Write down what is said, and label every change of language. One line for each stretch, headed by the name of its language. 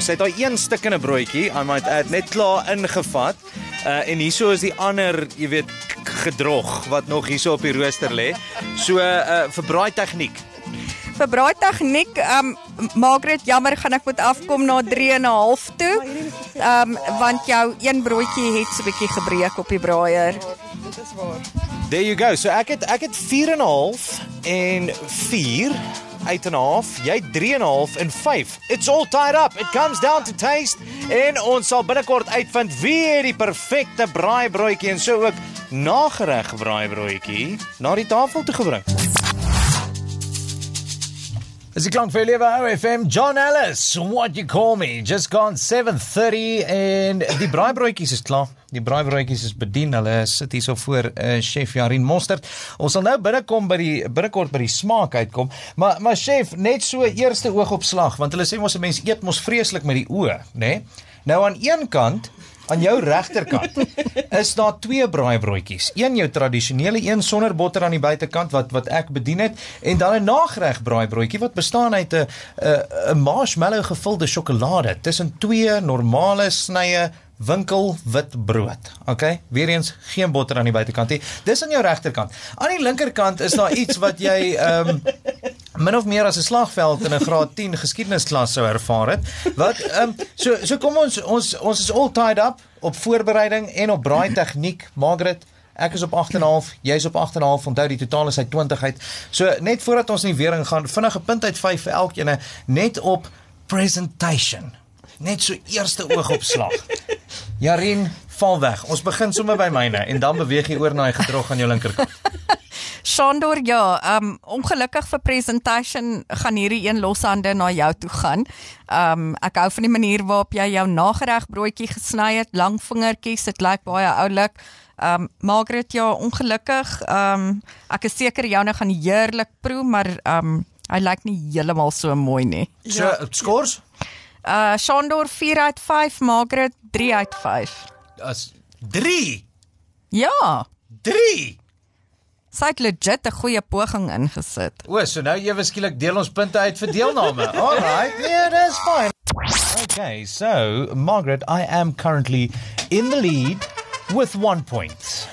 Afrikaans: Sy het daai een stukkende broodjie,
English: I might add,
Afrikaans: net klaar ingevat. En hierso is die ander, jy weet, gedrog wat nog hierso op die rooster lê. So vir braai tegniek. Vir braai tegniek, Margaret, jammer, gaan ek moet afkom na 3.5 toe. Want jou een broodjie het so 'n bietjie gebreek op die braaier.
English: There you go.
Afrikaans: So ek het 4.5 en 4 uit 1.5. Jy 3.5 en 5.
English: It's all tied up. It comes down to taste.
Afrikaans: En ons sal binnekort uitvind wie het die perfekte braaibroodjie en so ook nagereg braaibroodjie na die tafel toe gebring. As die klank vir lewe, OFM, John Ellis,
English: what you call me, just gone
Afrikaans: 7:30 en die braaibroodjies is klaar. Die braaibroodjies is bedien, hulle sit hier so voor chef Jarine Mortert. Ons sal nou binnekort by die smaak uitkom, maar chef, net so eerste oog op slag, want hulle sê mos 'n mens eet mos vreeslik met die oë, né? Nou aan een kant, aan jou regterkant, is daar twee braaibroodjies. Een jou tradisionele, een sonder botter aan die buitenkant, wat ek bedien het, en dan 'n nagereg braaibroodjie, wat bestaan uit 'n marshmallow gevulde sjokolade, tussen twee normale snye, winkel wit brood. OK, weer eens geen botter aan die buitenkant nie. Dis aan jou regterkant. Aan die linkerkant is daar iets wat jy min of meer as 'n slagveld in 'n graad 10 geskiedenisklas sou ervaar het. Wat so kom ons is
English: all tied up
Afrikaans: op voorbereiding en op braai tegniek. Margaret, ek is op 8.5, jy is op 8.5. Onthou die totaal is hy 20 uit. So net voordat ons in die weering gaan, vinnige punt uit 5 vir elkeen net op presentation. Net so eerste oog op slag. Jarine, val weg. Ons begin sommer by myne en dan beweeg jy oor na die gedrog aan jou linkerkant. Shandor, ja, ongelukkig vir presentation gaan hierdie een loshande na jou toe gaan. Ek hou van die manier waarop jy jou nagereg broodjie gesny het, lang vingertjies, dit lyk baie oulik. Margaret, ja, ongelukkig, ek is seker joune gaan heerlik proe, maar hy lyk nie heeltemal so mooi nie. So, scores? Shandor 4 uit 5, Margaret 3 uit 5. As 3? Ja. 3? Sy het legit 'n goeie poging ingesit. O, so nou ewe skielik deel ons punte uit vir deelname.
English: All right, yeah, that's fine. Okay, so, Margaret, I am currently in the lead with 1 point.